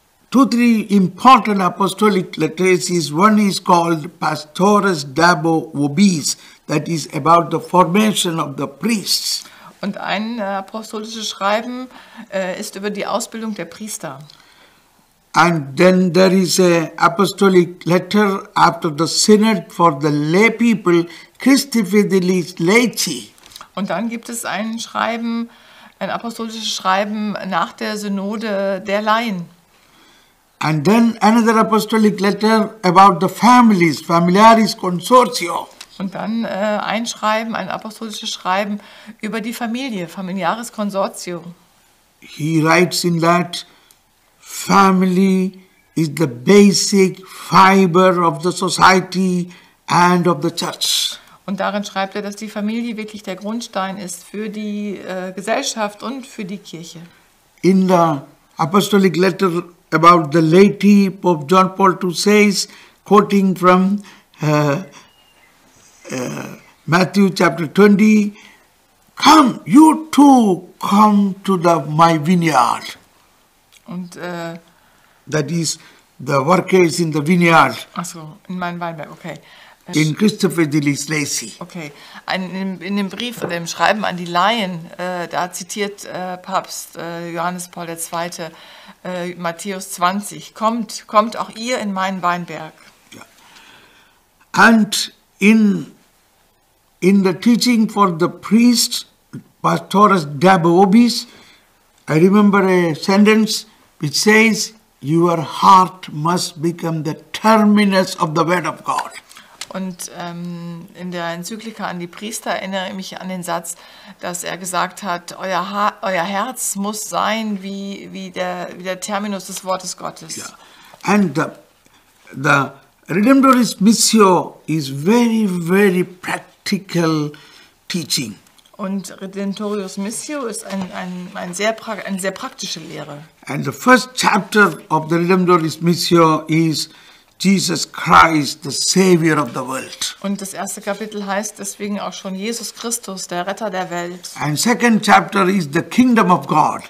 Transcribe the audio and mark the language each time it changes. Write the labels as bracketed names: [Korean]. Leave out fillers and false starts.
[English] Two, three important apostolic letters is, one is called Pastores Dabo Vobis, that is about the formation of the priests. [German] Und ein apostolisches Schreiben ist über die Ausbildung der Priester. [English] And then there is a apostolic letter after the synod for the lay people, Christi Fidelis Laici. [German] Und dann gibt es ein apostolisches Schreiben nach der Synode der Laien. [English] And then another apostolic letter about the families, Familiaris Consortio. [German] Und dann ein apostolisches Schreiben über die Familie, Familiaris Consortio. [English] He writes in that, family is the basic fiber of the society and of the church. [German] Und darin schreibt er, dass die Familie wirklich der Grundstein ist für die Gesellschaft und für die Kirche. [English] In the apostolic letter about the laity, Pope John Paul II says, quoting from Matthew chapter 20, come, you too, come to my vineyard. [German] Und [English] that is the workers in the vineyard. [German] Achso, in meinem Weinberg, okay. [English] In Christopher Dillis Lacey. [German] Okay, in dem Brief, in dem Schreiben an die Laien, da zitiert Papst Johannes Paul II. Matthäus 20, kommt auch ihr in meinen Weinberg. [English] Yeah. And in the teaching for the priests, Pastores Dabo Vobis, I remember a sentence which says, your heart must become the terminus of the word of God. [German] Und in der Enzyklika an die Priester erinnere ich mich an den Satz, dass er gesagt hat, euer Herz muss sein wie der Terminus des Wortes Gottes. [English] Yeah. And the Redemptoris Missio is very, very practical teaching. [German] Und Redemptoris Missio ist eine sehr praktische Lehre. [English] And the first chapter of the Redemptoris Missio is Jesus Christ, the Savior of the world. [German] Und das erste Kapitel heißt deswegen auch schon Jesus Christus, der Retter der Welt. [English] And second chapter is the Kingdom of God.